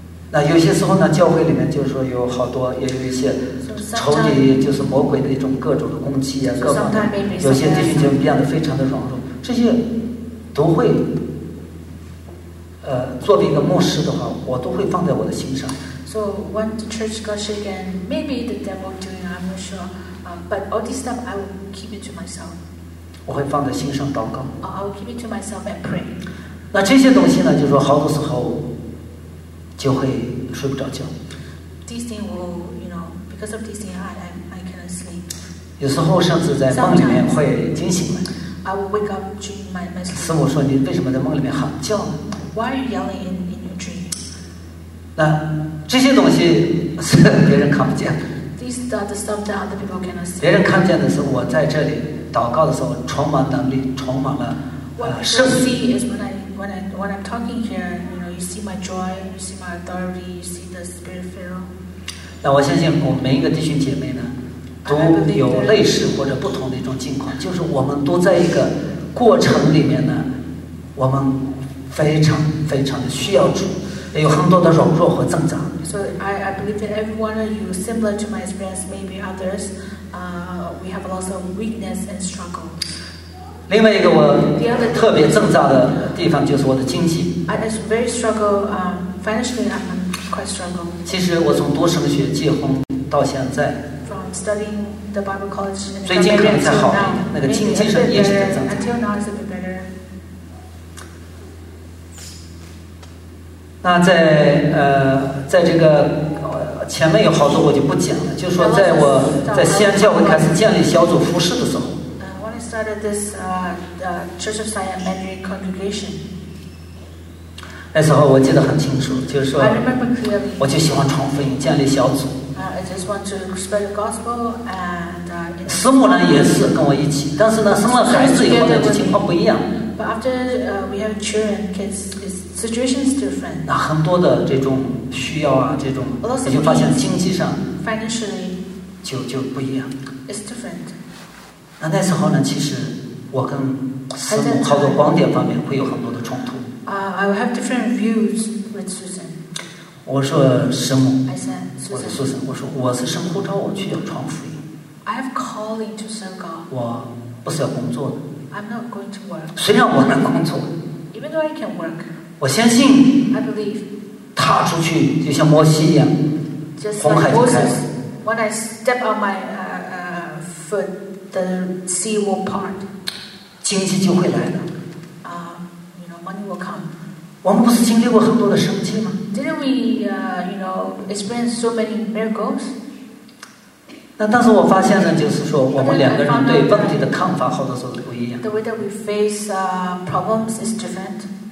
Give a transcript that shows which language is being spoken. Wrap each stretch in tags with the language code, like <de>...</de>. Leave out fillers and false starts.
<zh>那有些时候呢，教会里面就是说有好多，也有一些仇敌，就是魔鬼的一种各种的攻击啊，各方面。有些弟兄就变得非常的软弱，这些都会。作为一个牧师的话，我都会放在我的心上。</zh> <en>So when the church got shaken, maybe the devil doing, I'm not sure, but all this stuff I will keep it to myself.</en> <zh>我会放在心上祷告。</zh> <en>I will keep it to myself and pray.</en> <zh>那这些东西呢，就是说好多时候就会睡不着觉。</zh> <en>These things will, because of these things, I cannot sleep.</en> <zh>有时候甚至在梦里面会惊醒来。</zh> <en>I will wake up to my sleep.</en> <zh>师母说：“你为什么在梦里面喊叫呢</zh> <en>？”Why are you yelling in your dream?</en> <zh>那这些东西是别人看不见的。</zh> <en>These are the stuff that other people cannot see.</en> <zh>别人看见的是我在这里。祷告的时候充满能力，充满了圣灵。</zh> <en>What you see is when I'm talking here, you see my joy, you see my authority, you see the spirit filled.</en> <zh>那我相信我们每一个弟兄姐妹呢，都有类似或者不同的一种境况，就是我们都在一个过程里面呢，我们非常非常的需要主，有很多的软弱和挣扎。</zh> <en>So I believe that every one of you, similar to my experience, maybe others. We have lots of weakness and struggle.</en> <zh>另外一个我特别挣扎的地方就是我的经济。</zh> <en>I was very struggle. Financially, I'm quite struggle.</en> <zh>其实我从读神学结婚到现在。</zh> <en>From studying the Bible college.</en> <zh>最近可能才好，那个经济上也是在挣扎。</zh> <en>Until now, it's a bit better.</en> <zh>那在这个前面有好多我就不讲了，就说在我在西安教会开始建立小组服事的时候。</zh> <en>When I started this Church of Zion Mandarin Congregation.</en> <zh>那时候我记得很清楚，就是说。</zh> <en>I remember clearly.</en> <zh>我就喜欢传福音，建立小组。</zh> <en>I just want to spread the gospel and.</en> <zh>师母呢也是跟我一起，但是呢生了孩子以后呢就情况不一样。</zh> <en>But after we have children, kids, its situation is different.</en> <zh>那很多的这种需要啊，这种你就发现经济上</zh> <en>financially</en> <zh>就不一样。</zh> <en>It's different.</en> <zh>那时候呢，其实我跟师母好多观点方面会有很多的冲突。</zh> <en>I will have different views with Susan.</en> <zh>我说师母</zh> <en>，I said,</en> <zh>我说苏珊，我说我是神呼召我去要传福音。</zh> <en>I have calling to serve God.</en> <zh>我不是要工作的。</zh> <en>I'm not going to work.</en> <zh>虽然我能工作</zh> <en>，Even though I can work.</en> <zh>我相信</zh> <en>，I believe.</en> <zh>踏出去就像摩西一样，红海就开始。</zh> <en>When I step on my foot, the sea will part.</en> <zh>经济就会来了。</zh> <en>You know, money will come.</en> <zh>我们不是经历过很多的神迹吗</zh> <en>？Didn't we, you know, experience so many miracles?</en> <zh>那但是我发现呢，就是说我们两个人对问题的看法好多时候不一样。</zh> <en>The way that we face problems is different.</en>